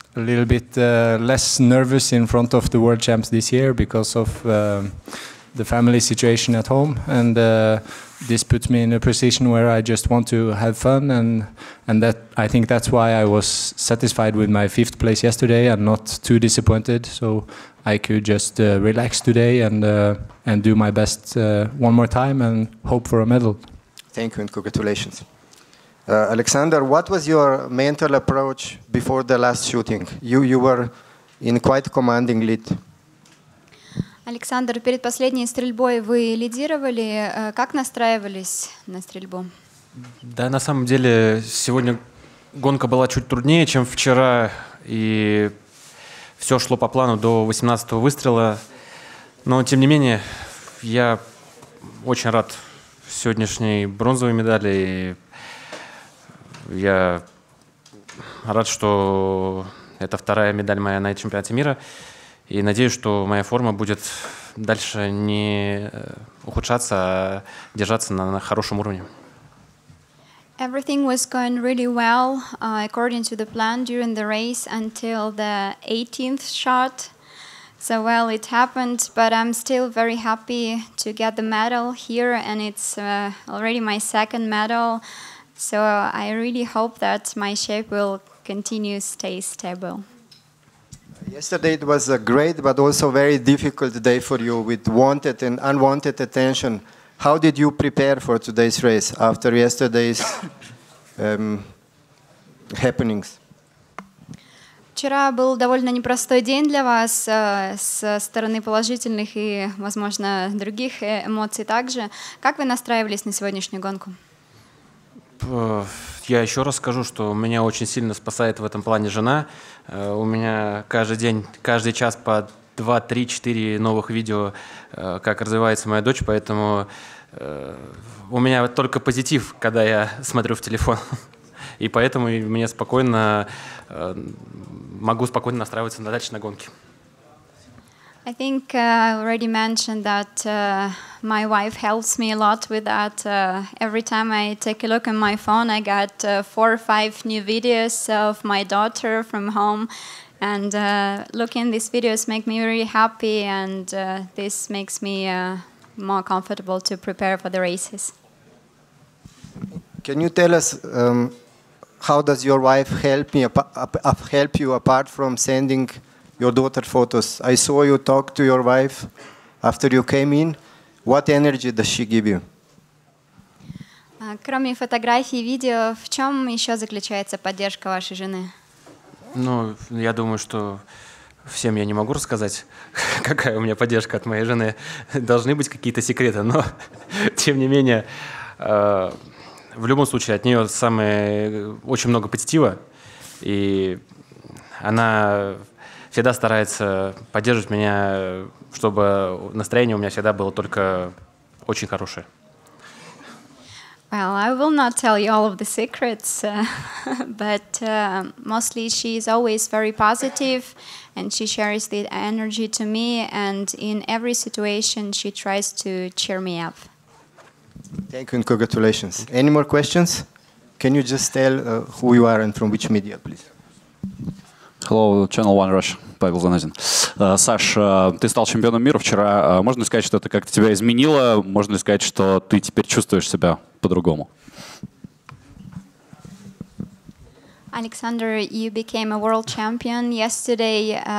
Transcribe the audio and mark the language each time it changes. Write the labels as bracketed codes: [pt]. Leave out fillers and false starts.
[en] a little bit less nervous in front of the world champs this year because of the family situation at home, and this puts me in a position where I just want to have fun, and that I think that's why I was satisfied with my fifth place yesterday and not too disappointed, so I could just relax today and do my best one more time and hope for a medal. Thank you and congratulations. Alexander, what was your mental approach before the last shooting? You were in quite commanding lead. [ru] Александр, перед последней стрельбой вы лидировали. Как настраивались на стрельбу? Да, на самом деле, сегодня гонка была чуть труднее, чем вчера. И все шло по плану до 18-го выстрела. Но, тем не менее, я очень рад сегодняшней бронзовой медали. И я рад, что это вторая медаль моя на чемпионате мира. И надеюсь, что моя форма будет дальше не ухудшаться, а держаться на хорошем уровне. [en] Everything was going really well according to the plan during the race until the 18th shot. So well, it happened, but I'm still very happy to get the medal here, and it's already my second medal. So I really hope that my shape will continue to stay stable. Yesterday it was a great but also very difficult day for you with wanted and unwanted attention. How did you prepare for today's race after yesterday's happenings? [ru] Вчера был довольно непростой день для вас со стороны положительных и, возможно, других эмоций также. Как вы настраивались на сегодняшнюю гонку? Я еще раз скажу, что меня очень сильно спасает в этом плане жена. У меня каждый день, каждый час по 2-3-4 новых видео, как развивается моя дочь, поэтому у меня только позитив, когда я смотрю в телефон. И поэтому мне спокойно, могу спокойно настраиваться на дальше на гонке. [en] I think I already mentioned that my wife helps me a lot with that. Every time I take a look at my phone, I get 4 or 5 new videos of my daughter from home. And looking at these videos make me really happy, and this makes me more comfortable to prepare for the races. Can you tell us how does your wife help me help you apart from sending your daughter photos? I saw you talk to your wife after you came in. What energy does she give you? [ru] Кроме фотографий и видео, в чем еще заключается поддержка вашей жены? Ну, я думаю, что всем я не могу рассказать, какая у меня поддержка от моей жены. Должны быть какие-то секреты, но тем не менее, в любом случае, от нее очень много позитива, и она всегда старается поддерживать меня, чтобы настроение у меня всегда было только очень хорошее. [en] Well, I will not tell you all of the secrets, but mostly she is always very positive, and she shares the energy to me, and in every situation she tries to cheer me up. Thank you and congratulations. Any more questions? Can you just tell who you are and from which media, please? Hello, Channel One Russia. Павел Заназин. [ru] Саш, ты стал чемпионом мира вчера. Можно ли сказать, что это как-то тебя изменило? Можно ли сказать, что ты теперь чувствуешь себя по-другому? [en] Alexander, you became a world champion yesterday.